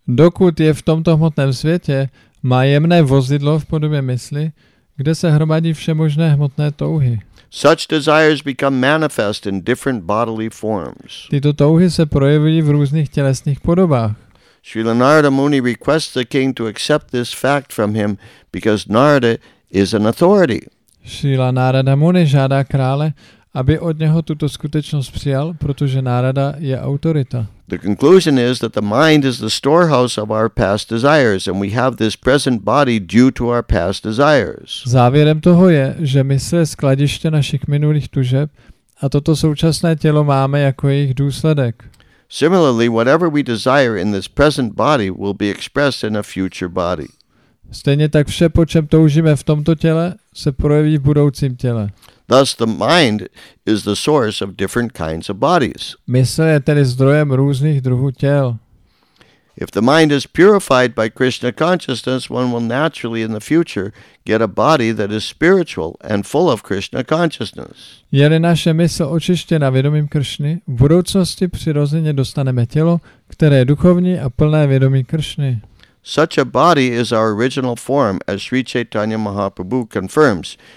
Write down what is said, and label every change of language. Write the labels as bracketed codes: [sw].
[cs] Dokud je v tomto hmotném světě, má jemné vozidlo v podobě mysli, kde se hromadí všemožné hmotné touhy. [en] Such desires become manifest in different bodily forms. [cs] Tyto touhy se projevují v různých tělesných podobách. [en] Srila Narada Muni requests the king to accept this fact from him because Narada is an authority. [cs] Srila Narada Muni žádá krále, aby od něho tuto skutečnost přijal, protože Narada je autorita. [en] The conclusion is that the mind is the storehouse of our past desires and we have this present body due to our past desires. [cs] Závěrem toho je, že mysl je skladiště našich minulých tužeb a toto současné tělo máme jako jejich důsledek. [en] Similarly, whatever we desire in this present body will be expressed in a future body. [cs] Stejně tak vše, po čem toužíme v tomto těle, se projeví v budoucím těle. [en] Thus the mind is the source of different kinds of bodies. [cs] Mysl je tedy zdrojem různých druhů těl. [en] If the mind is purified by Krishna consciousness, one will naturally in the future get a body that is spiritual and full of Krishna consciousness. [cs] Je-li naše mysl očištěna vědomím Kršny, v budoucnosti přirozeně dostaneme tělo, které je duchovní a plné vědomí Kršny. [en] Such a body is our original form, as Sri Chaitanya Mahaprabhu confirms.